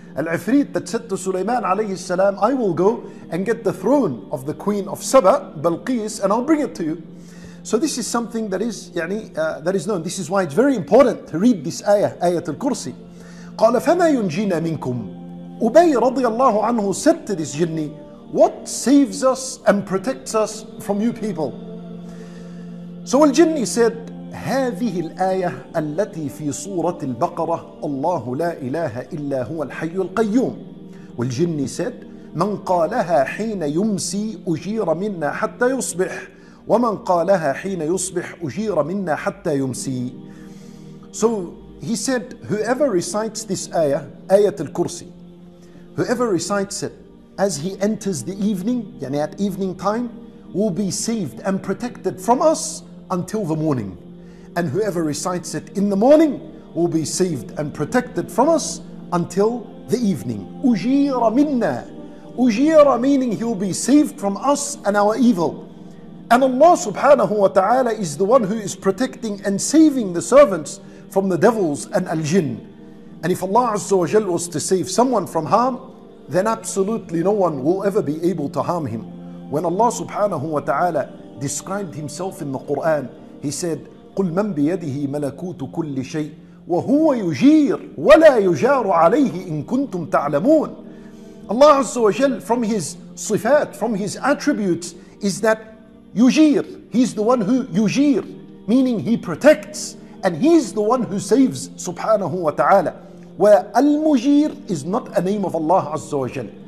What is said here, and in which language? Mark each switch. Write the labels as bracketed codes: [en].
[en] Al-Ifrit that said to Sulaiman alayhi salam, I will go and get the throne of the queen of Saba, Balqis, and I'll bring it to you. So this is something that is that is known. This is why it's very important to read this ayah, Ayatul Kursi. [ar] قَالَ فَمَا يُنْجِينَ مِنْكُمْ. [en] Ubay radiallahu anhu said to this jinni, what saves us and protects us from you people? So al-jinni said, [ar] هذه الآية التي في سورة البقرة الله لا إله إلا هو الحي القيوم. والجن said, من قالها حين يمسي أجير منا حتى يصبح ومن قالها حين يصبح أجير منا حتى يمسي. [en] So he said, whoever recites this ayah, ayat al-kursi, whoever recites it as he enters the evening, yani at evening time, will be saved and protected from us until the morning. And whoever recites it in the morning will be saved and protected from us until the evening. Ujira minna. Ujira meaning he'll be saved from us and our evil. And Allah subhanahu wa ta'ala is the one who is protecting and saving the servants from the devils and al-jinn. And if Allah azza wa jal was to save someone from harm, then absolutely no one will ever be able to harm him. When Allah subhanahu wa ta'ala described himself in the Quran, he said, [ar] قُلْ مَنْ بِيَدِهِ مَلَكُوتُ كُلِّ شَيْءٍ وَهُوَ يُجِيرُ وَلَا يُجَارُ عَلَيْهِ إِن كُنْتُمْ تَعْلَمُونَ. [en] Allah Azza wa Jal, from His sifat, from His attributes, is that yujir. He's the one who yujir, meaning He protects, and He's the one who saves, subhanahu wa ta'ala. وَالْمُجِيرُ is not a name of Allah Azza wa Jal.